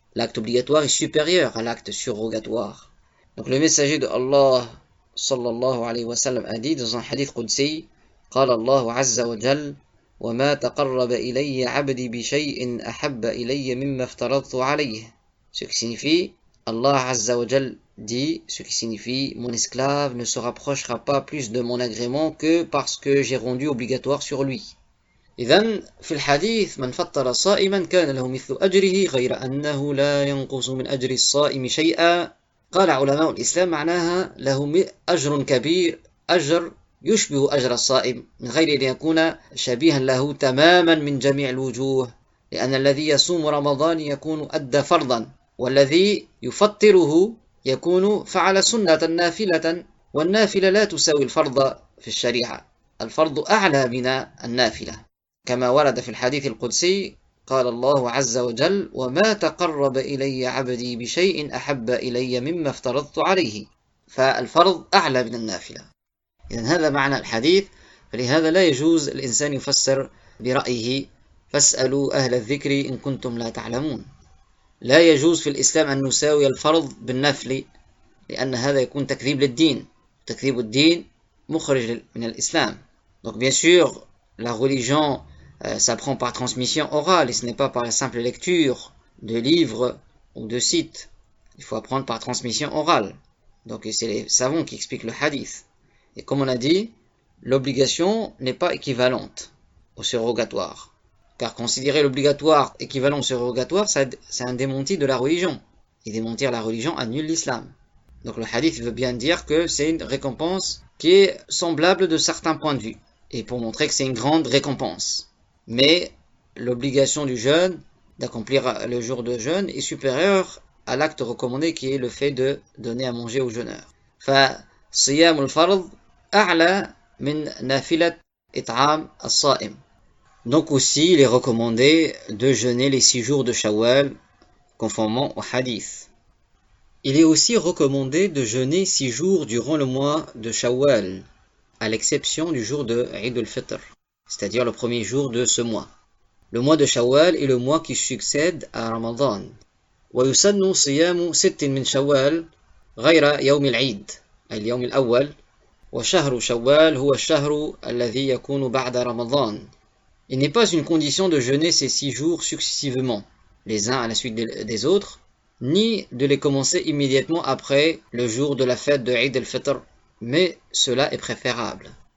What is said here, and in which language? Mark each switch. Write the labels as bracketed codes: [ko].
[fr] L'acte obligatoire est supérieur à l'acte surrogatoire. Donc le messager de Allah sallallahu alayhi wa sallam a dit dans un hadith qudsi, [ar] قال الله عز وجل وما تقرب إلي عبدي بشيء أحب إلي مما افترضت عليه. [fr] Ce qui signifie Allah عز وجل dit, ce qui signifie, mon esclave ne se rapprochera pas plus de mon agrément que parce que j'ai rendu obligatoire sur lui. [ar] إذن في الحديث من فطر صائما كان له مثل أجره غير أنه لا ينقص من أجر الصائم شيئا. قال علماء الإسلام معناها له أجر كبير، أجر يشبه أجر الصائم من غير أن يكون شبيها له تماما من جميع الوجوه، لأن الذي يصوم رمضان يكون أدى فرضا، والذي يفطره يكون فعل سنة نافلة، والنافلة لا تساوي الفرض في الشريعة، الفرض أعلى من النافلة. كما ورد في الحديث القدسي قال الله عز وجل وما تقرب إلي عبدي بشيء أحب إلي مما افترضت عليه، فالفرض أعلى من النافلة. إذا هذا معنى الحديث، فلهذا لا يجوز الإنسان يفسر برأيه فاسألوا أهل الذكر إن كنتم لا تعلمون. لا يجوز في الإسلام أن نساوي الفرض بالنفل، لأن هذا يكون تكذيب للدين، تكذيب الدين مخرج من الإسلام. [fr] Donc bien sûr, la religion s'apprend par transmission orale et ce n'est pas par la simple lecture de livres ou de sites. Il faut apprendre par transmission orale. Donc c'est les savants qui expliquent le hadith. Et comme on a dit, l'obligation n'est pas équivalente au surrogatoire. Car considérer l'obligatoire équivalent au surrogatoire, c'est un démenti de la religion. Et démentir la religion annule l'islam. Donc le hadith veut bien dire que c'est une récompense qui est semblable de certains points de vue. Et pour montrer que c'est une grande récompense. Mais l'obligation du jeûne, d'accomplir le jour de jeûne, est supérieure à l'acte recommandé qui est le fait de donner à manger au jeûneur. [ar] فصيام الفرض أعلى من نافلة إطعام الصائم. [fr] Donc aussi, il est recommandé de jeûner les 6 jours de Shawwal, conformément au hadith. Il est aussi recommandé de jeûner 6 jours durant le mois de Shawwal, à l'exception du jour de Eid al-Fitr, c'est-à-dire le premier jour de ce mois. Le mois de Shawwal est le mois qui succède à Ramadan. [ar] ويسن صيام ست من شوال غير يوم العيد أي اليوم الأول وشهر شوال هو الشهر الذي يكون بعد رمضان. [fr] Il n'est pas une condition de jeûner ces 6 jours successivement, les uns à la suite des autres, ni de les commencer immédiatement après le jour de la fête de Eid al-Fitr, mais cela est préférable.